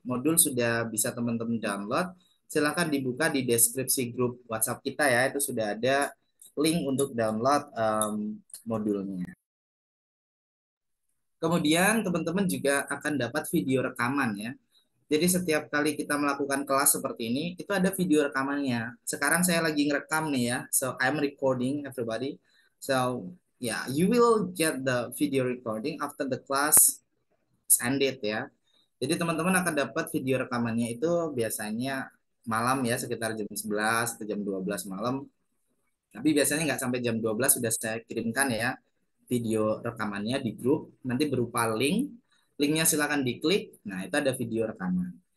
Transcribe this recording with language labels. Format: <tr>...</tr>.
<id>Modul sudah bisa teman-teman download. Silahkan dibuka di deskripsi grup WhatsApp kita ya, itu sudah ada link untuk download modulnya. Kemudian teman-teman juga akan dapat video rekaman ya. Jadi setiap kali kita melakukan kelas seperti ini, itu ada video rekamannya. Sekarang saya lagi ngerekam nih ya.</id> <en>So I'm recording everybody. So yeah, you will get the video recording after the class is ended ya.</en> <id>Jadi teman-teman akan dapat video rekamannya itu biasanya malam ya, sekitar jam 11 atau jam 12 malam. Tapi biasanya nggak sampai jam 12 sudah saya kirimkan ya video rekamannya di grup, nanti berupa link. Linknya silakan diklik. Nah, itu ada video rekaman.</id>